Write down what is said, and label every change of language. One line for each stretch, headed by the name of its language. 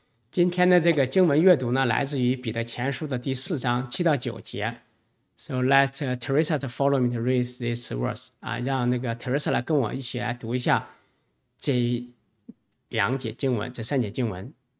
Chinese: 今天的这个经文阅读呢，来自于彼得前书的第四章七到九节。
English: So let Teresa to follow me to read this verse.
Chinese: 让那个 Teresa 来跟我一起来读一下。这两节经文，这三节经文。